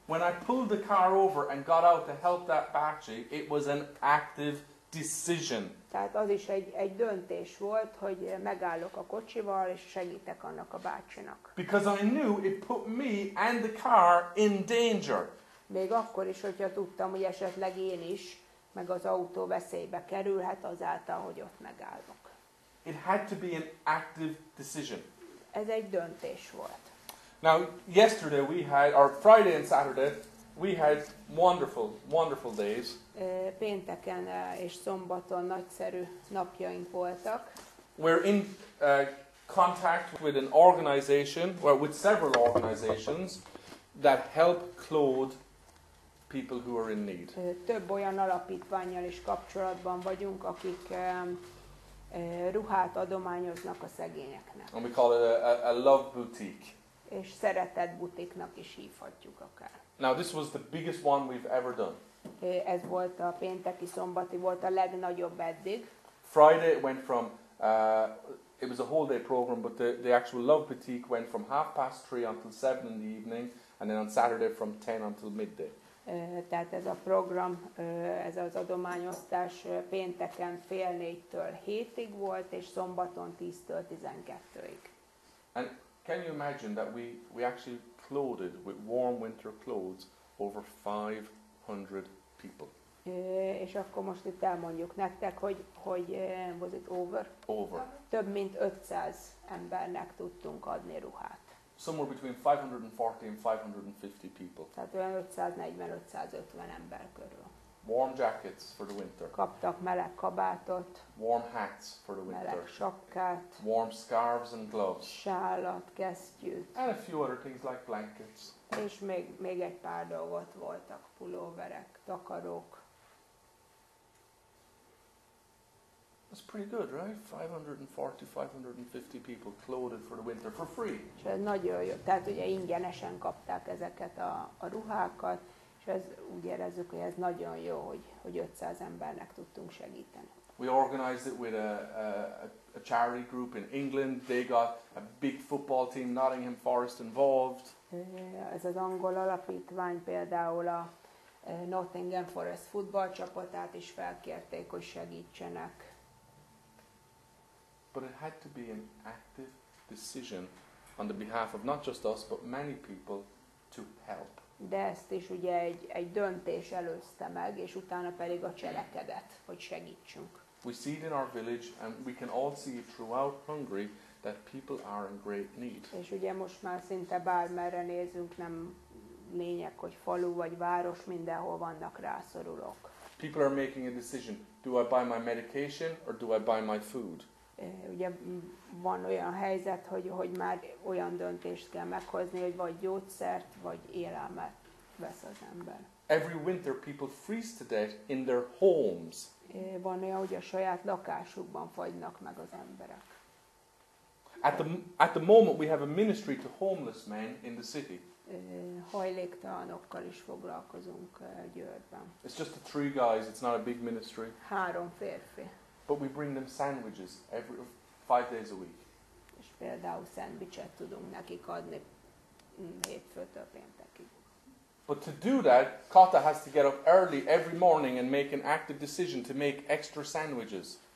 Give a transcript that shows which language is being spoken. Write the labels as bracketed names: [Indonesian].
[English] When I pulled the car over and got out to help that battery, it was an active decision. [Hungarian] Tehát az is egy döntés volt, hogy megállok a kocsival és segítek annak a bácsinak. [English] Because I knew it put me and the car in danger. [Hungarian] Még akkor is, hogyha tudtam, hogy esetleg én is meg az autó veszélybe kerülhet azáltal, hogy ott megállok. [English] It had to be an active decision. [Hungarian] Ez egy döntés volt. [English] Now, yesterday we had, or Friday and Saturday, we had wonderful, wonderful days. [Hungarian] Pénteken és szombaton nagyszerű napjaink voltak. [English] We're in contact with an organization, well, with several organizations that help clothe people who are in need. [Hungarian] Több olyan alapítvánnyal is kapcsolatban vagyunk, akik ruhát adományoznak a szegényeknek. [English] And we call it a love boutique. [Hungarian] És szeretett butiknak is hívhatjuk akár. [English] Now this was the biggest one we've ever done. [Hungarian] Ez volt a pénteki szombati, volt a legnagyobb eddig. [English] Friday went from it was a whole day program, but the actual love boutique went from 3:30 until 7 in the evening, and then on Saturday from 10 until midday. [Hungarian] Tehát ez a program, ez az adományosztás pénteken 3:30-tól 7-ig volt, és szombaton 10-től 12-ig. [English] And can you imagine that we actually clothed with warm winter clothes over 500 people? [Hungarian] És akkor most itt elmondjuk nektek, hogy [English] was it over? Over. [Hungarian] Több mint 500 embernek tudtunk adni ruhát. [English] Somewhere between 540 and 550 people. [Hungarian] Tehát olyan 540-550 ember körül. [English] Warm jackets for the winter. [Hungarian] Kaptak meleg kabátot. [English] Warm hats for the winter. [Hungarian] Meleg sapkát. [English] Warm scarves and gloves. [Hungarian] Sálat, kesztyűt. [English] And a few other things like blankets. [Hungarian] És még egy pár dolgot voltak, pulóverek, takarók. [English] That's pretty good, right? 540-550 people clothed for the winter for free. [Hungarian] Ez nagyon jó. Tehát ugye ingyenesen kapták ezeket a ruhákat, és ez úgy érezzük, hogy ez nagyon jó, hogy 500 embernek tudtunk segíteni. [English] We organized it with a charity group in England. They got a big football team, Nottingham Forest, involved. [Hungarian] Ez az angol alapítvány például a Nottingham Forest futballcsapatát is felkérték, hogy segítsenek. [English] But it had to be an active decision on the behalf of not just us, but many people to help. [Hungarian] De ezt is ugye egy döntés előzte meg, és utána pedig a cselekedet, hogy segítsünk. [English] We see it in our village, and we can all see it throughout Hungary, that people are in great need. [Hungarian] És ugye most már szinte bármerre nézünk, nem lényeg, hogy falu vagy város, mindenhol vannak rászorulók. [English] People are making a decision, do I buy my medication or do I buy my food? [Hungarian] Ugye van olyan helyzet, hogy már olyan döntést kell meghozni, hogy vagy gyógyszert, vagy élelmet vesz az ember. [English] Every winter people freeze to death in their homes. [Hungarian] Van olyan, hogy a saját lakásukban fagynak meg az emberek. [English] At the moment we have a ministry to homeless men in the city. [Hungarian] Hajléktalanokkal is foglalkozunk Győrben. [English] It's just the 3 guys, it's not a big ministry. [Hungarian] 3 férfi. [English] But we bring them sandwiches every 5 days a week. [Hungarian] És például szendvicset tudunk nekik adni hétfőtől péntekig. [English] But to do that, Kata has to get up early every morning and make an active decision to make extra sandwiches.